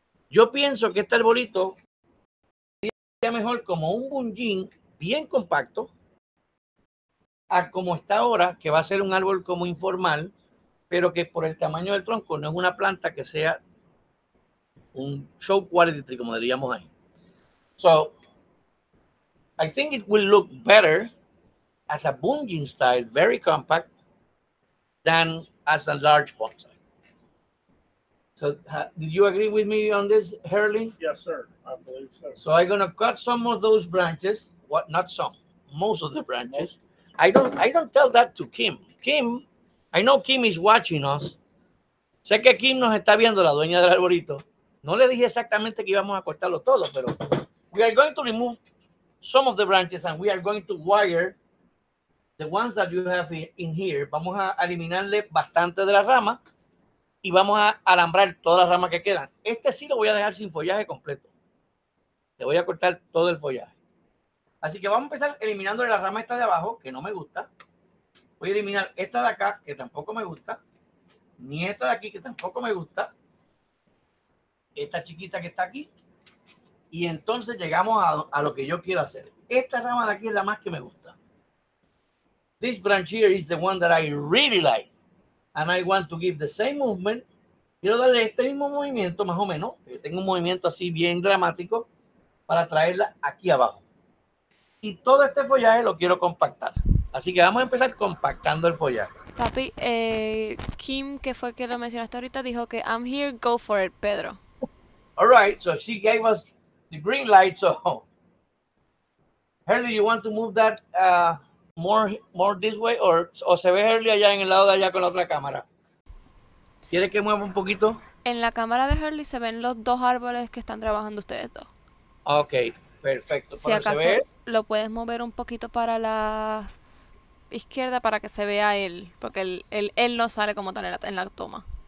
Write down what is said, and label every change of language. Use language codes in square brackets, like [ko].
[es] Yo pienso que este arbolito sería mejor como un bunjin bien compacto a como está ahora, que va a ser un árbol como informal, pero que por el tamaño del tronco no es una planta que sea un [en] show quality tree, [es] como diríamos ahí. [en] So, I think it will look better as a bunjin style, very compact, than as a large bonsai. So, did you agree with me on this, Hurley? Yes, sir. I believe so. So, I'm going to cut some of those branches. What? Not some. Most of the branches. I don't tell that to Kim. Kim, I know Kim is watching us. [es] Sé que Kim nos está viendo, la dueña del arbolito. No le dije exactamente que íbamos a cortarlo todo, pero [en] we are going to remove some of the branches and we are going to wire the ones that you have in here. [es] Vamos a eliminarle bastante de la rama y vamos a alambrar todas las ramas que quedan. Este sí lo voy a dejar sin follaje completo. Le voy a cortar todo el follaje. Así que vamos a empezar eliminando la rama esta de abajo, que no me gusta. Voy a eliminar esta de acá, que tampoco me gusta. Ni esta de aquí, que tampoco me gusta. Esta chiquita que está aquí. Y entonces llegamos a lo que yo quiero hacer. Esta rama de aquí es la más que me gusta. [en] This branch here is the one that I really like. And I want to give the same movement. [es] Quiero darle este mismo movimiento, más o menos. Que tengo un movimiento así bien dramático para traerla aquí abajo. Y todo este follaje lo quiero compactar. Así que vamos a empezar compactando el follaje. Papi, Kim, que fue que lo mencionaste ahorita, dijo que [en] I'm here, go for it, [es] Pedro. [en] All right, so she gave us the green light, so. Hurley, you want to move that more this way? [es] ¿O se ve Hurley allá en el lado de allá con la otra cámara? ¿Quiere que mueva un poquito? En la cámara de Hurley se ven los dos árboles que están trabajando ustedes dos. Ok, perfecto. Si acaso se ve, lo puedes mover un poquito para la izquierda para que se vea él, porque él no sale como tal en la toma.